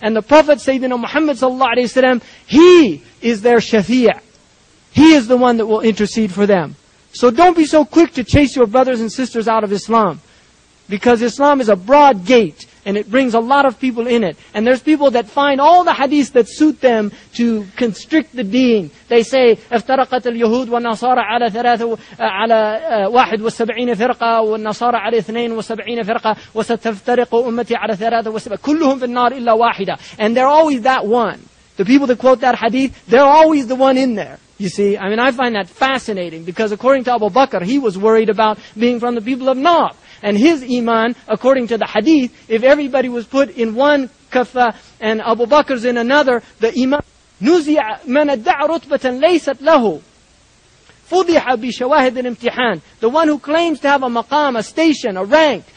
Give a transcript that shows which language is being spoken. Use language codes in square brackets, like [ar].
[en] And the Prophet Sayyidina Muhammad sallallahu alayhi wa sallam, he is their shafi'ah. He is the one that will intercede for them. So don't be so quick to chase your brothers and sisters out of Islam. Because Islam is a broad gate, and it brings a lot of people in it. And there's people that find all the hadith that suit them to constrict the deen. They say, [ar] افترقت اليهود والنصارى على ثلاثة على واحد وسبعين فرقة والنصارى على اثنين وسبعين فرقة وستفترق أمتي على ثلاثة وسبعين كلهم في النار إلا واحدة. [en] And they're always that one. The people that quote that hadith, they're always the one in there. You see, I mean, I find that fascinating, because according to Abu Bakr, he was worried about being from the people of Nar. And his iman, according to the hadith, if everybody was put in one kafa and Abu Bakr's in another, the iman, [ar] نُزِعَ مَنَ الدَّعَ رُتْبَةً لَيْسَتْ لَهُ فُضِحَ بِشَوَاهِدِ الْإِمْتِحَانِ. [en] The one who claims to have a maqam, a station, a rank,